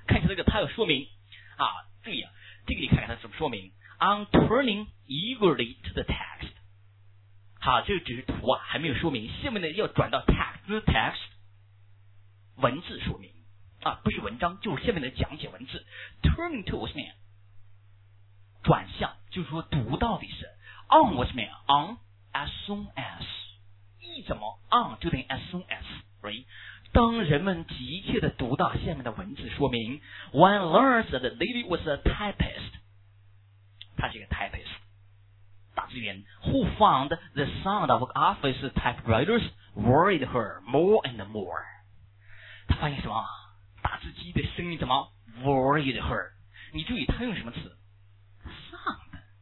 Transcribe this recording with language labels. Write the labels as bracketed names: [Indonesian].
[Chinese] 看一下这个，它有说明啊，注意啊，这个你看看它怎么说明。 [English] On turning eagerly to the text， [Chinese] 好，这个只是图啊，还没有说明。下面呢要转到 text， 文字说明啊，不是文章，就是下面的讲解文字。 Turning to 什么呀？ 转向，就是说读到底是 on 什么呀 ？On as soon as， 一怎么 on 就等于 as soon as， right？当人们急切地读到下面的文字说明 [English] One learns that Lily was a typist， 他是一个 typist 打字员， Who found the sound of office typewriters worried her more and more， [Chinese] 他发现什么打字机的声音怎么 [English] worried her， 你注意他用什么词 sound，